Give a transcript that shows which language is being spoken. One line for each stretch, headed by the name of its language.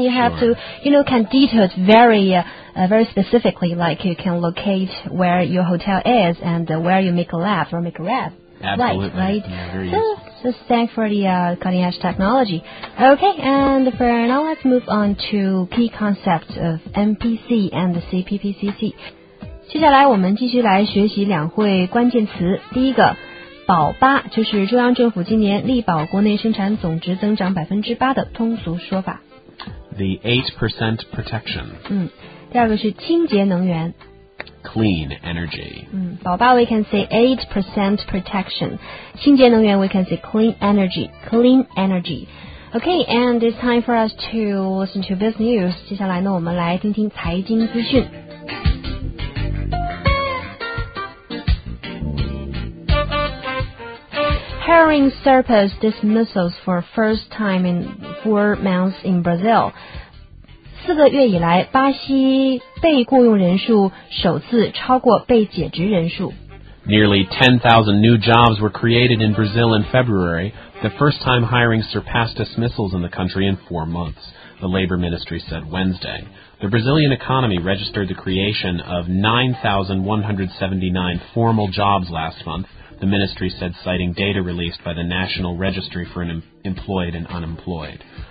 English: you have to, can detail it very, very specifically, like you can locate where your hotel is and where you make a left or make a right. Absolutely. Right. So thanks for the cutting edge technology. Okay, and for now let's move on to key concepts of MPC and the CPPCC.
Chinese: 接下来我们继续来学习两会关键词。第一个，保八，就是中央政府今年力保国内生产总值增长8%的通俗说法。
English: The 8% protection.
Chinese: 第二个是清洁能源。
English: Clean energy. 保八 we can say 8% protection. 清洁能源 we can say clean energy. Clean energy. Okay, and it's time for us to listen to business news.
Chinese: 接下来呢，我们来听听财经资讯。
English: Herring surpassed dismissals for first time in 4 months in Brazil. 四个月以来，巴西被雇佣人数首次超过被解职人数。 Nearly 10,000 new jobs were created in Brazil in February, the first time hiring surpassed dismissals in the country in 4 months, the Labor Ministry said Wednesday. The Brazilian economy registered the creation of 9,179 formal jobs last month,the ministry said, citing data released by the National Registry for Employed and Unemployed.